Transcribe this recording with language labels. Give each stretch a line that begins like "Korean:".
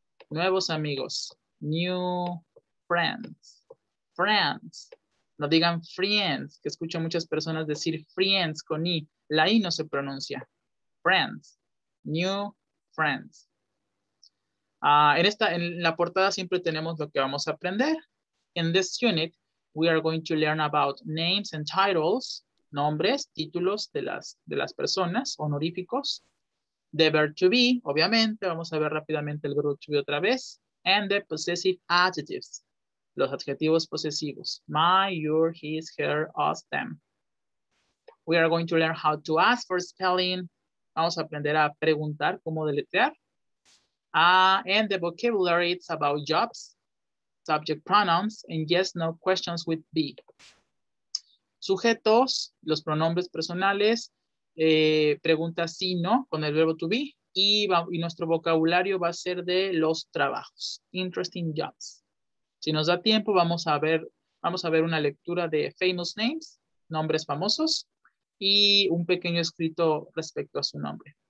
Spanish: Nuevos amigos.
English: New friends. Friends.
Spanish: No digan friends, que escucho a muchas personas decir friends con i. La i no se pronuncia.
English: Friends. New friends.
Spanish: En la portada siempre tenemos lo que vamos a aprender.
English: In this unit, we are going to learn about names and titles.
Spanish: Nombres, títulos de las personas, honoríficos.
English: The verb to be, obviamente.
Spanish: Vamos a ver rápidamente el verbo to be otra vez.
English: And the possessive adjectives.
Spanish: Los adjetivos posesivos.
English: My, your, his, her, us, them. We are going to learn how to ask for spelling.
Spanish: Vamos a aprender a preguntar cómo deletrear.
English: And the vocabulary, it's about jobs, subject pronouns, and yes, no questions with be.
Spanish: Sujetos, los pronombres personales, preguntas sí, no, con el verbo to be. Y nuestro vocabulario va a ser de los trabajos.
English: Interesting jobs.
Spanish: Si nos da tiempo, vamos a ver una lectura de
English: famous names,
Spanish: nombres famosos, y un pequeño escrito respecto a su nombre.